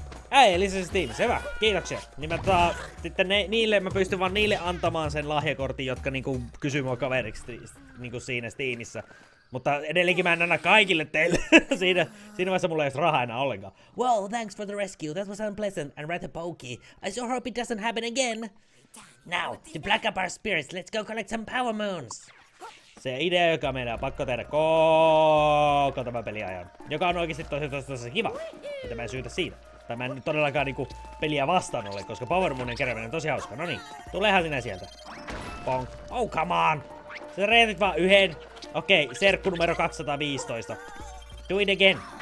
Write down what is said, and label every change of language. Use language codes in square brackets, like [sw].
[fi] Ei, lisäsi tiimissä, hyvä, kiitoksia. Niin mä sitten niille, mä pystyn vaan niille antamaan sen lahjakortin, jotka niinku kysyy mua kaveriksi niinku siinä Steamissä. Mutta edelleenkin mä en anna kaikille teille. siinä vaiheessa mulla ei edes rahaa enää ollenkaan. [en] Well, thanks for the rescue. That was unpleasant and rather pokey. I sure hope it doesn't happen again. Now, to black up our spirits, let's go collect some power moons. [fi] Se idea, joka meidän on pakko tehdä koko tämän peliajan. Joka on oikeesti tosi kiva. Mutta mä en syytä siitä. Tai mä en todellakaan niinku peliä vastaan ole, koska power moonin kerääminen on tosi hauska. Noniin, tulehan sinä sieltä. Bonk. [en] Oh, come on! [fi] Sä reetit vaan yhden. Okei, serkku numero 215. [en] Do it again.